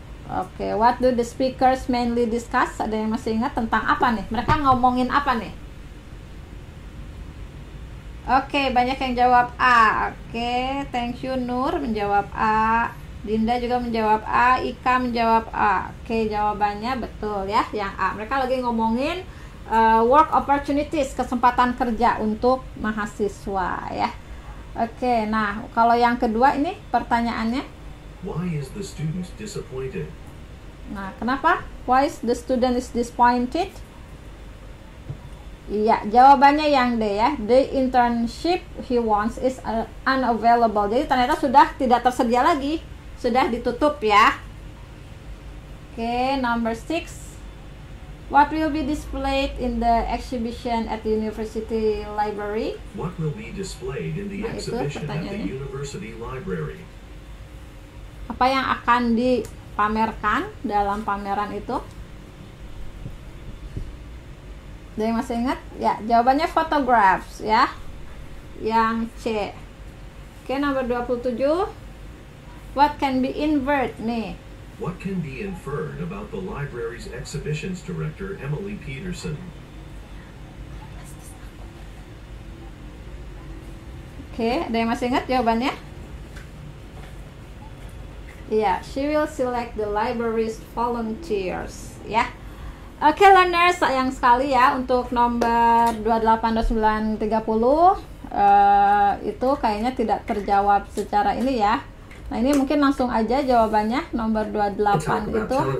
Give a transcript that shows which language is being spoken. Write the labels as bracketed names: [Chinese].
[English] Oke, okay, what do the speakers mainly discuss? [Indonesian] Ada yang masih ingat tentang apa nih? Mereka ngomongin apa nih? Oke, okay, banyak yang jawab A. Oke, okay, thank you Nur menjawab A. Dinda juga menjawab A. Ika menjawab A. Oke, okay, jawabannya betul ya, yang A. Mereka lagi ngomongin [English] work opportunities, [Indonesian] kesempatan kerja untuk mahasiswa ya. Oke, okay, nah kalau yang kedua ini pertanyaannya. [English] Why is the student disappointed? [Indonesian] Nah, kenapa? [English] Why is the student disappointed? [Indonesian] Iya, jawabannya yang D ya. [English] The internship he wants is unavailable. [Indonesian] Jadi ternyata sudah tidak tersedia lagi. Sudah ditutup ya. Oke, number 6. [English] What will be displayed in the exhibition at the university library? What will be displayed in the exhibition at the university library? [Indonesian] Apa yang akan dipamerkan dalam pameran itu? Ada yang masih ingat? Ya, jawabannya photographs ya. Yang C. Oke, nomor 27. [English] What can be inferred nih? What can be inferred about the library's exhibitions director Emily Peterson? [Indonesian] Oke, ada yang masih ingat jawabannya? [English] Iya, she will select the library's volunteers, ya. [Indonesian] Oke, learners, sayang sekali ya untuk nomor 28, 29, 30 itu kayaknya tidak terjawab secara ini ya. Nah, ini mungkin langsung aja jawabannya nomor 28 itu.